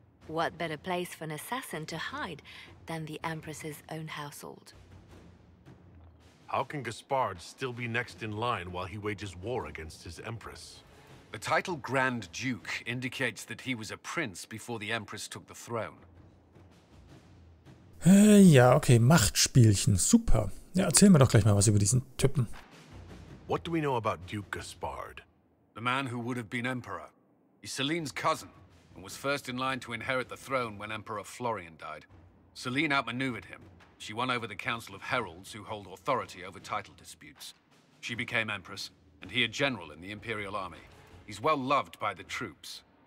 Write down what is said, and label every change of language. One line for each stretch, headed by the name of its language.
English: What better place for an assassin to hide than the Empress's own household? How can Gaspard still be next in line while he wages war against his Empress? The title Grand Duke indicates that he was a prince before the Empress took the throne.
German: Ja, okay, Machtspielchen, super. Ja, erzähl mir doch gleich mal was über diesen Typen.
English: What do we know about Duke Gaspard? The man who would have been emperor. He's Selene's cousin and was first in line to inherit the throne when Emperor Florian died. Selene outmaneuvered him. She won over the Council of Heralds, who hold authority over title disputes. She became empress and he a general in the Imperial Army. He's well loved by the troops.